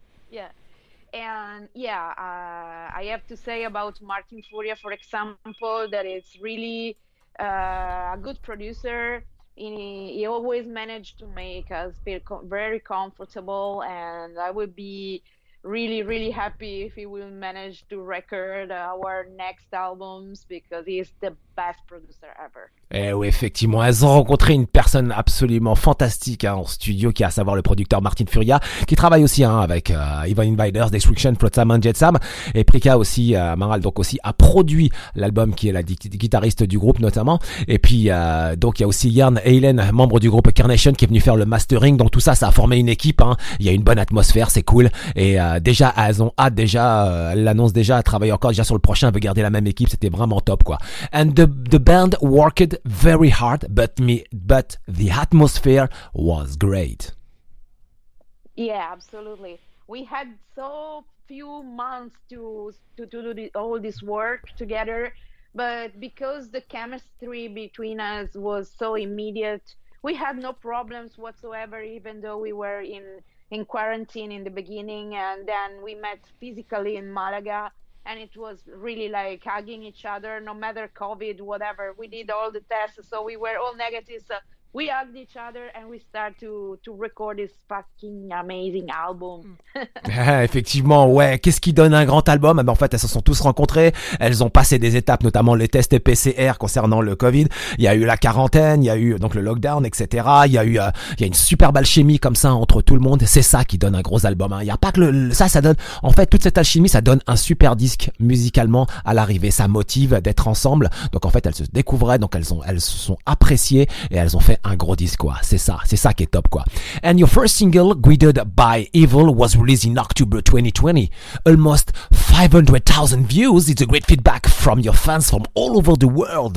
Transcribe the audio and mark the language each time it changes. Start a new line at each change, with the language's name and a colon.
English: Yeah, and yeah, I have to say about Martin Furia, for example, that it's really a good producer. He always managed to make us feel very comfortable, and I would be really, really happy if he will manage to record our next albums because he is the best producer ever.
French: Eh oui, effectivement, elles ont rencontré une personne absolument fantastique hein, en studio, qui est à savoir le producteur Martin Furia, qui travaille aussi hein, avec Ivan Invaders, Destruction, Flotsam and Jetsam, et Prika aussi, Maral donc aussi, a produit l'album qui est la guitariste du groupe notamment, et puis donc il y a aussi Jan Halen, membre du groupe Carnation, qui est venu faire le mastering, donc tout ça, ça a formé une équipe, hein. Il y a une bonne atmosphère, c'est cool, et déjà, elles ont hâte, déjà, elles l'annoncent déjà, elles travaillent encore déjà sur le prochain, elles veulent garder la même équipe, c'était vraiment top, quoi.
English: And the band worked very hard, but the atmosphere was great. Yeah, absolutely. We had so few months to do all this work together, but because the chemistry between us was so immediate, we had no problems whatsoever, even though we were in quarantine in the beginning, and then we met physically in Malaga. And it was really like hugging each other, no matter COVID, whatever. We did all the tests, so we were all negative. So we hugged each other and we start to record this fucking amazing album.
French: Effectivement, ouais. Qu'est-ce qui donne un grand album? Mais en fait, elles se sont tous rencontrées. Elles ont passé des étapes, notamment les tests PCR concernant le COVID. Il y a eu la quarantaine, il y a eu donc le lockdown, etc. Il y a une superbe alchimie comme ça entre tout le monde. C'est ça qui donne un gros album. Hein. Il y a pas que ça donne, en fait, toute cette alchimie, ça donne un super disque musicalement à l'arrivée. Ça motive d'être ensemble. Donc en fait, elles se découvraient. Donc elles se sont appréciées et elles ont fait un gros disque, quoi. C'est ça qui est top, quoi.
English: And your first single, Guided by Evil, was released in October 2020. Almost 500,000 views. It's a great feedback from your fans from all over the world.